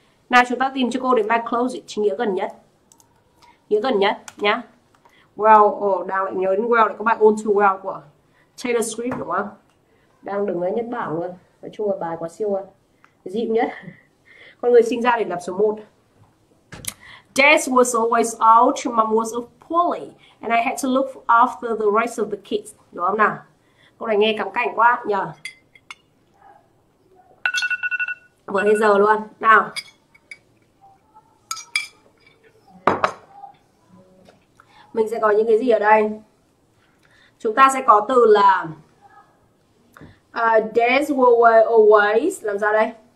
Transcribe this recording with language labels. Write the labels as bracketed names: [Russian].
[Vietnamese] Nào chúng ta tìm cho cô đến bài close it, chính nghĩa gần nhất. Nghĩa gần nhất nhá. Well, đang lại nhớ đến well này, có bài All Too Well của Taylor Swift đúng không? Đang đứng ở nhất bảng luôn. Nói chung là bài quá siêu luôn. Dịu nhất. Con người sinh ra để lập số 1. [English] Dad was always out, mom was a poorly, and I had to look after the rest of the kids. [Vietnamese] Đúng không nào? Câu này nghe cắm cảnh quá nhờ. Vừa hết giờ luôn. Nào. Mình sẽ có những cái gì ở đây? Chúng ta sẽ có từ là [English] Dads were always, [Vietnamese] làm sao đây?